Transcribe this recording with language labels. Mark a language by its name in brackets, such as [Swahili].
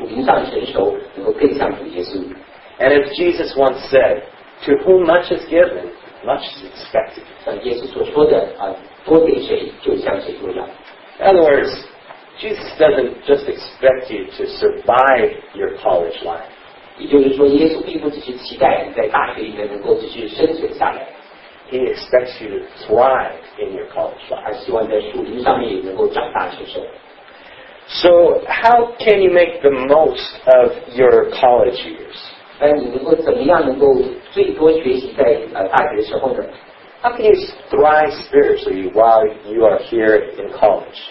[Chinese] 如果你能够利用这些机会，在4年里面，你可以能够在属灵上成熟，能够更像主耶稣。 [English] And as Jesus once said, to whom much is given, much is expected. [Chinese] 像耶稣所说的，多给谁，就向谁多要。 [English] In other words, Jesus doesn't just expect you to survive your college life. [Chinese] 也就是说，耶稣并不只是期待你在大学里面能够只是生存下来。 [English] He expects you to thrive in your college life. So how can you make the most of your college years? How can you thrive spiritually while you are here in college?